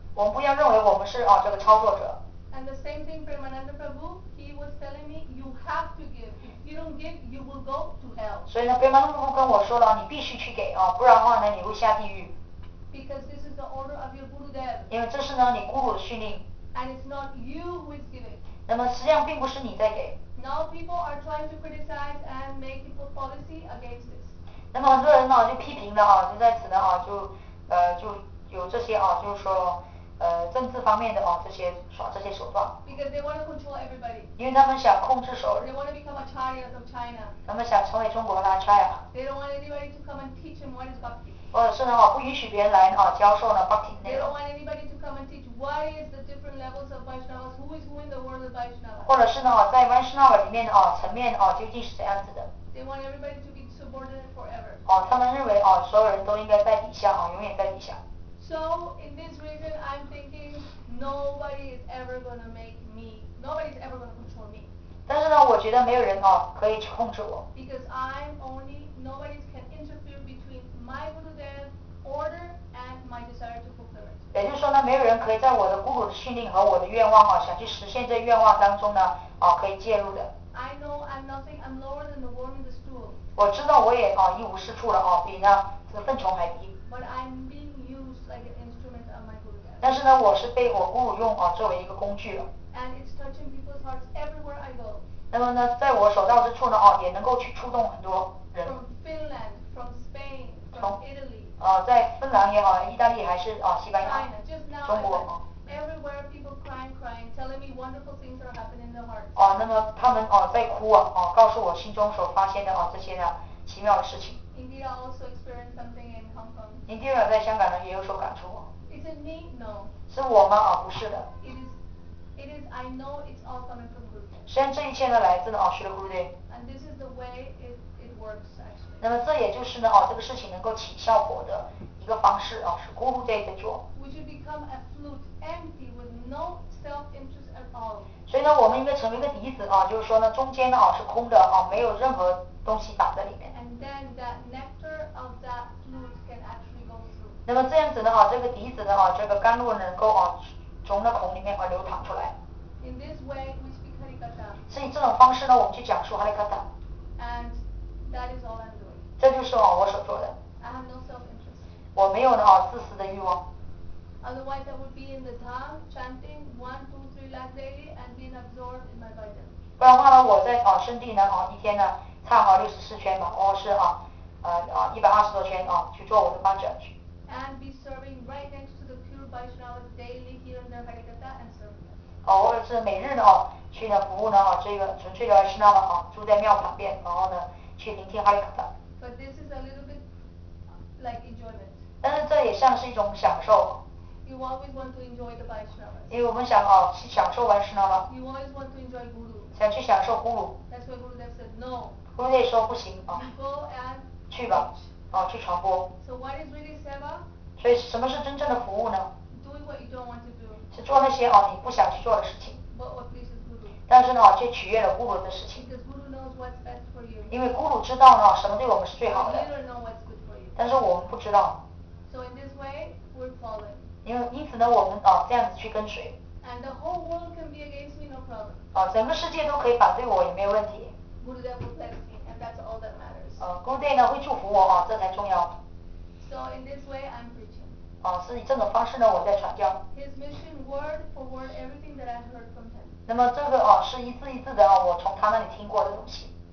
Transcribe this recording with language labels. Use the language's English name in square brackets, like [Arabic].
[Chinese] 我们不要认为我们是哦这个操作者。 [English] And the same thing for Ananda Prabhu, he was telling me you have to give. If you don't give, you will go to hell. [Chinese] 所以呢，别忙碌碌跟我说了，你必须去给啊，不然的话呢，你会下地狱。 [English] Because this is the order of your Gurudev. [Chinese] 因为这是呢你雇主的训令。 [English] And it's not you who is giving. [Chinese] 那么实际上并不是你在给。 [English] Now people are trying to criticize and make people policy against this. [Chinese] 那么很多人呢就批评了啊，就在此呢啊就就有这些啊，就是说政治方面的啊这些耍这些手段。 [English] Because they want to control everybody. [Chinese] 因为他们想控制所有人。 [English] They want to become acharyas of China. [Chinese] 他们想成为中国的 acharya。 [English] They don't want anybody to come and teach them what is bhakti. [Chinese] 或者是呢，不允许别人来啊教授呢 ，bhakti 内容。 [English] They don't want anybody to come and teach. Why is the different levels of Vaishnavas? Who is who in the world of Vaishnavas? [Chinese] 或者是呢，在 Vaishnava 里面啊，层面啊，究竟是怎样子的 [English] ？They want everybody to be subordinate forever. [Chinese] 哦，他们认为啊，所有人都应该在底下啊，永远在底下。 [English] So in this reason, I'm thinking nobody is ever going to make me. Nobody is ever going to control me. [Chinese] 但是呢，我觉得没有人啊可以控制我。 [English] Because I'm only nobody can interfere between my. Order and my desire to fulfill it. [Chinese] 也就是说呢，没有人可以在我的 Guru 的训令和我的愿望啊，想去实现这愿望当中呢，啊，可以介入的。 [English] I know I'm nothing. I'm lower than the worm in the stool. [Chinese] 我知道我也啊一无是处了啊，比呢这个粪虫还低。 [English] But I'm being used like an instrument of my Guru. [Chinese] 但是呢，我是被我 Guru 用啊作为一个工具了。 [English] and it's touching people's hearts everywhere I go. [Chinese] 那么呢，在我所到之处呢，哦，也能够去触动很多人。 [English] From Finland, from Spain, from Italy. [Chinese] 在芬兰也好，意大利还是西班牙， [English] China, just now, [Chinese] 中国。 [English] Everywhere people crying, telling me wonderful things are happening in their hearts. [Chinese] 那么他们在哭啊，告诉我心中所发现的这些呢奇妙的事情。 [English] Indeed, I also experienced something in Hong Kong. Indeed, [Chinese] 在香港呢也有所感触。 [English] Is it me? No. [Chinese] 是我吗？不是的。 [English] It is. I know it's all coming from Guru. [Chinese] 虽然这一切呢来自呢是的 Guru 的。 [English] And this is the way it works actually. [Chinese] 那么这也就是呢这个事情能够起效果的一个方式是 Guru 在做。 [English] We should become a flute, empty with no self-interest at all. [Chinese] 所以呢，我们应该成为一个笛子就是说呢，中间呢是空的没有任何东西打在里面。 [English] And then that nectar of that flute can actually go through. [Chinese] 那么这样子呢这个笛子呢这个甘露能够从那孔里面流淌出来。 [English] In this way, we speak Harikatha. [Chinese] 所以这种方式呢，我们去讲述 Harikatha. [English] And that is all I'm doing. [Chinese] 这就是我所做的。 [English] I have no self-interest. [Chinese] 我没有呢自私的欲望。 [English] Otherwise, I would be in the town chanting 1, 2, 3 lakh daily and being absorbed in my Bhajan. [Chinese] 不然的话呢，我在圣地呢一天呢唱64圈吧，或是120多圈去做我的Bhajan去。 [English] And be serving right next to the pure Vaishnavas daily here in the Harikatha and serving them. [Chinese] 或者是每日呢去呢服务呢这个纯粹的Vaishnava住在庙旁边，然后呢去聆听Harikatha。 [English] But this is a little bit like enjoyment. [Chinese] 但是这也像是一种享受。 [English] You always want to enjoy the Vaishnava. [Chinese] 因为我们想去享受 Vaishnava. [English] You always want to enjoy Guru. [Chinese] 想去享受 Guru. [English] That's why Guru Dev said no. [Chinese] Guru Dev说不行啊。 [English] You go and [Chinese] 去吧，去传播。 [English] So what is really seva? [Chinese] 所以什么是真正的服务呢 [English] ？Doing what you don't want to do. [Chinese] 是做那些你不想去做的事情。 [English] But what pleases Guru. [Chinese] 但是呢，却取悦了 Guru 的事情。 [English] Because Guru knows what's best for you. [Chinese] 因为 Guru 知道呢，什么对我们是最好的。 [English] You don't know what's good for you. [Chinese] 但是我们不知道。 [English] So in this way, we're following. [Chinese] 因此呢，我们这样子去跟随。 [English] And the whole world can be against me, no problem. [Chinese] 整个世界都可以反对我，也没有问题。 [English] Guru Dev will bless me, and that's all that matters. [Chinese] Guru Dev 呢会祝福我这才重要。 [English] So in this way, I'm preaching. [Chinese] 是以这种方式呢，我在传教。 [English] His mission, word for word, everything that I heard from him. [Chinese] 那么这个是一字一字的我从他那里听过的东西。